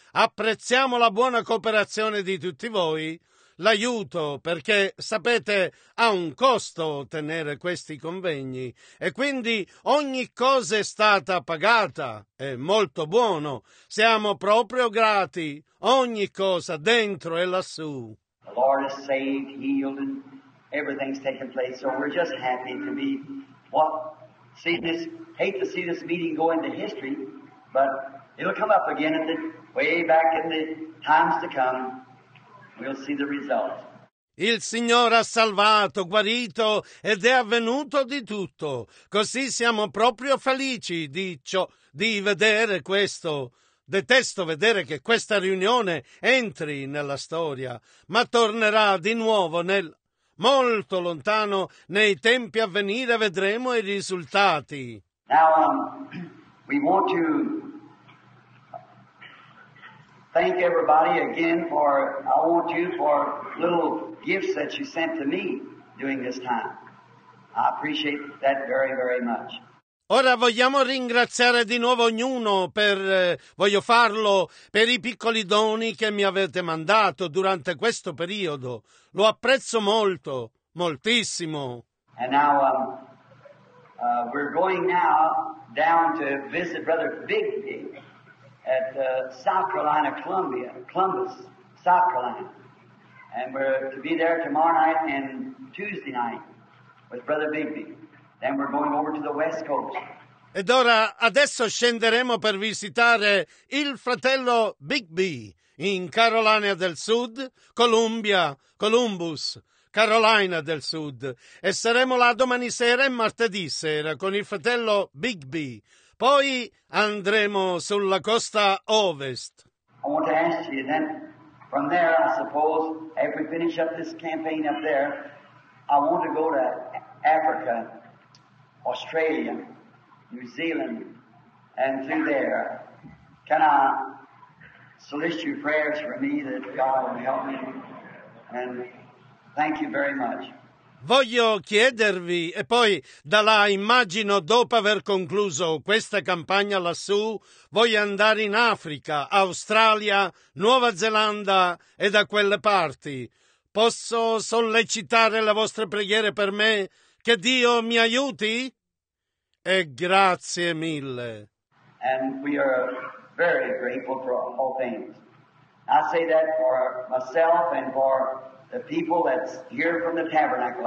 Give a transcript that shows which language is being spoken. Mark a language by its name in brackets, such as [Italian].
[Italian] Apprezziamo la buona cooperazione di tutti voi. L'aiuto, perché sapete, ha un costo tenere questi convegni. E quindi ogni cosa è stata pagata. È molto buono. Siamo proprio grati. Ogni cosa, dentro e lassù. [English] The Lord has saved, healed, and everything's taken place. So we're just happy to be... What? See this, hate to see this meeting go into history, but it'll come up again at the way back in the times to come. We'll see the result. [Italian] Il Signore ha salvato, guarito ed è avvenuto di tutto. Così siamo proprio felici di ciò, di vedere questo. Detesto vedere che questa riunione entri nella storia, ma tornerà di nuovo nel... Molto lontano, nei tempi a venire, vedremo i risultati. [English] Now, we want to thank everybody again for, I want you for little gifts that you sent to me during this time. I appreciate that very, very much. [Italian] Ora vogliamo ringraziare di nuovo ognuno per, voglio farlo, per i piccoli doni che mi avete mandato durante questo periodo. Lo apprezzo molto, moltissimo. [English] And now, we're going now down to visit Brother Big Pig at South Carolina, Columbus, South Carolina. And we're to be there tomorrow night and Tuesday night with Brother Big Pig. Then we're going over to the West Coast. [Italian] Ed ora, adesso scenderemo per visitare il fratello Bigby in Carolina del Sud, Columbus, Carolina del Sud. E saremo là domani sera e martedì sera con il fratello Bigby. Poi andremo sulla costa ovest. [English] I want to ask you then, from there I suppose, if we finish up this campaign up there, I want to go to Africa. Australia, New Zealand, and through there. Can I solicit your prayers for me that God will help me? And thank you very much. [Italian] Voglio chiedervi, e poi da là immagino dopo aver concluso questa campagna lassù, voglio andare in Africa, Australia, Nuova Zelanda e da quelle parti. Posso sollecitare le vostre preghiere per me? Che Dio mi aiuti? E grazie mille. [English] And we are very grateful for all things. I say that for myself and for the people that's here from the tabernacle.